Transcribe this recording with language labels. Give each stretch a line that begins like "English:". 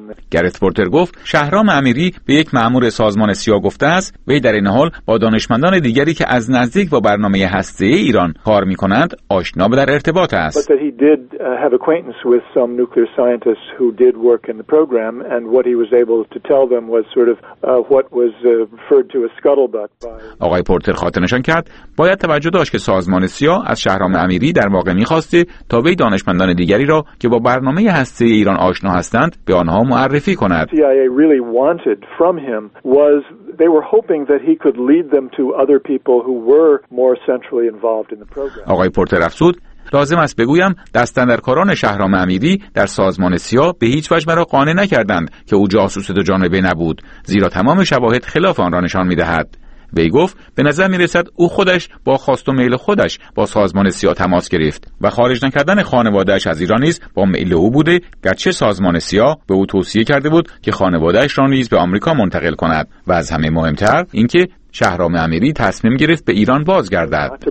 Persian: گرت پورتر گفت شهرام امیری به یک مأمور سازمان سیا گفته است وی در این حال با دانشمندان دیگری که از نزدیک با برنامه هسته‌ای ایران کار می‌کنند آشنا و در ارتباط است.
English: Have acquaintance with some nuclear scientists who did work in the program, and what he was able to tell them was sort of what was referred to as scuttlebutt.
Persian: آقای پورتر خاطر نشان کرد باید توجه داشت که سازمان سیا از شهرام امیری در واقع می‌خواسته تا وی دانشمندان دیگری را که با برنامه هسته‌ای ایران آشنا هستند به آنها معرفی کند.
English: CIA really wanted from him was they were hoping that he could lead them to other people who were more centrally involved in the program.
Persian: آقای پورتر افزود لازم است بگویم دستاندرکاران شهرام امیری در سازمان سیا به هیچ وجه مرا قانع نکردند که او جاسوس دو جانبه نبود، زیرا تمام شواهد خلاف آن را نشان می‌دهد. وی گفت به نظر می‌رسد او خودش با خواست و میل خودش با سازمان سیا تماس گرفت و خارج نکردن خانواده‌اش از ایران نیز با میل او بوده، گرچه سازمان سیا به او توصیه کرده بود که خانواده‌اش را نیز به آمریکا منتقل کند و از همه مهم‌تر اینکه شهرام امیری تصمیم گرفت به ایران بازگردد.